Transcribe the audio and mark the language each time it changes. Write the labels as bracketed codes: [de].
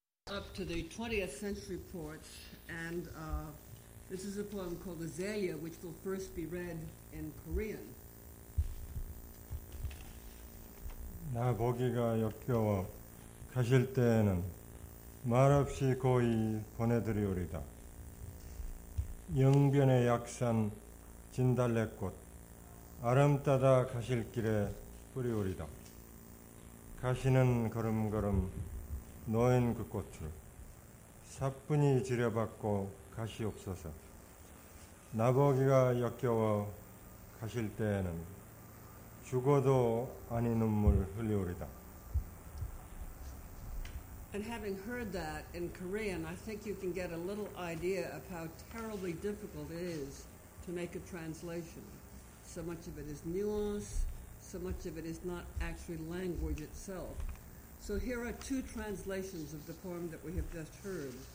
[en] Up to the 20th century poets, and this is a poem called Azalea, which will first be read in Korean. [ko] 나 보기가 역겨워 가실 때에는 말없이 고이 보내드리오리다. 영변의 약산 진달래꽃 아름따다 가실 길에 뿌리오리다. 가시는 걸음걸음 노인 그 꽃을 사뿐히 지려받고 가시 없어서 나보기가 역겨워 가실 때에는 죽어도 아니 눈물 흘리오리다. [en] And having heard that in Korean, I think you can get a little idea of how terribly difficult it is to make a translation. So much of it is nuance, so much of it is not actually language itself. So here are two translations of the poem that we have just heard.